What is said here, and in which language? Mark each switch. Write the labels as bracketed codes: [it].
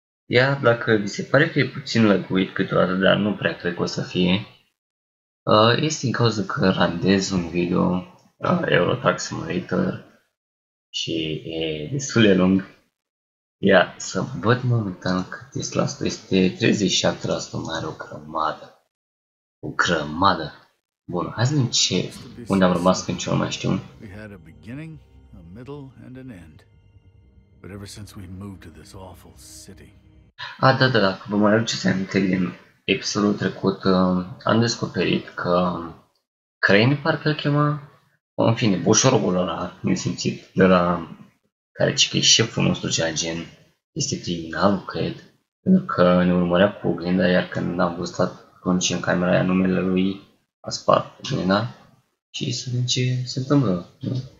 [ro] Iar dacă vi se pare că e puțin lăguit câteodată, dar nu prea cred că o să fie, este în cauza că randez un video Euro Truck Simulator și e destul de lung. Ia, să văd momentan cât este la asta. Este 37%, mai are o grămadă. O grămadă. Bun, hai să vedem ce, unde am rămas când ce mai știu. [en] We had a beginning, a middle and an end. But ever since we moved to this awful city. [ro] Ah, da, dacă vă mai aduceți aminte din episodul trecut, am descoperit că Crane, parcă îl chema, în fine, boșorogul ăla, nesimțit, de la care ce că e șeful nostru, cea gen, este criminalul, cred, pentru că ne urmărea cu oglinda, iar când n-am văzut atunci în camera aia numele lui, a spart oglinda și să vedem ce se întâmplă, nu?